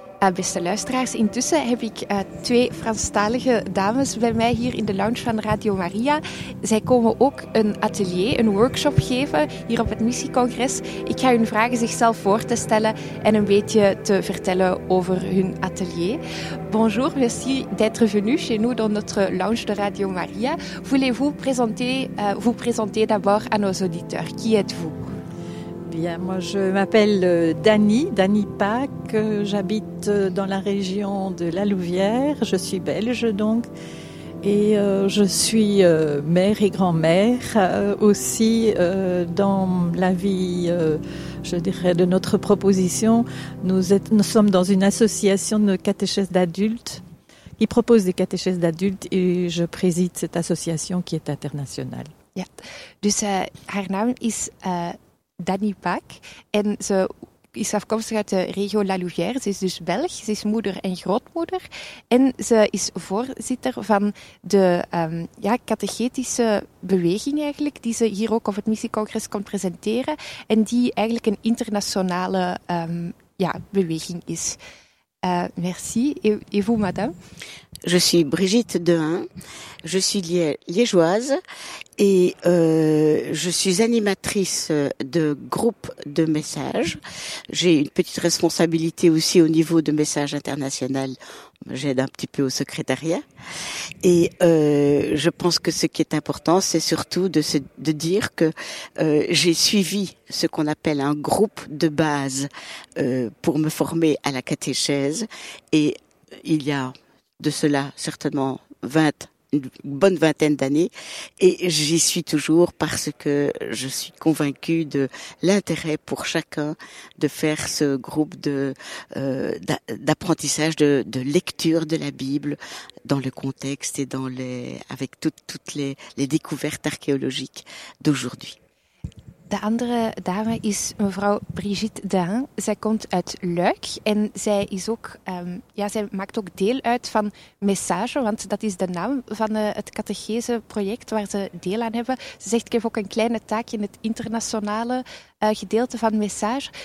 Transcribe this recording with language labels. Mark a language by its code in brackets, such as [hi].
[nl] Beste luisteraars, intussen heb ik twee Franstalige dames bij mij hier in de lounge van Radio Maria. Zij komen ook een atelier, een workshop geven hier op het missiecongres. Ik ga hun vragen zichzelf voor te stellen en een beetje te vertellen over hun atelier. [fr] Bonjour, merci d'être venu chez nous dans notre lounge de Radio Maria. Voulez-vous présenter d'abord à nos auditeurs. Qui êtes-vous? Bien, moi je m'appelle Dani Pack, j'habite dans la région de la Louvière, je suis belge donc, et je suis mère et grand-mère aussi dans la vie, je dirais, de notre proposition. Nous sommes dans une association de catéchèses d'adultes qui propose des catéchèses d'adultes et je préside cette association qui est internationale. [nl] Ja. Dus haar naam is Dani Pack en ze is afkomstig uit de regio La Louvière. Ze is dus Belg, ze is moeder en grootmoeder en ze is voorzitter van de catechetische beweging eigenlijk, die ze hier ook op het missiecongres kon presenteren en die eigenlijk een internationale beweging is. [fr] Merci. Et vous, madame? Je suis Brigitte Dehain, je suis liégeoise et je suis animatrice de groupe de messages. J'ai une petite responsabilité aussi au niveau de messages internationaux. J'aide un petit peu au secrétariat. Et je pense que ce qui est important, c'est surtout de dire que j'ai suivi ce qu'on appelle un groupe de base pour me former à la catéchèse. Et il y a de cela certainement une bonne vingtaine d'années. Et j'y suis toujours parce que je suis convaincue de l'intérêt pour chacun de faire ce groupe d'apprentissage de lecture de la Bible dans le contexte et avec toutes les découvertes archéologiques d'aujourd'hui. [nl] De andere dame is mevrouw Brigitte Dehain. Zij komt uit Luik en zij is ook, zij maakt ook deel uit van Message, want dat is de naam van het catechese project waar ze deel aan hebben. Ze zegt, ik heb ook een kleine taak in het internationale gedeelte van Message.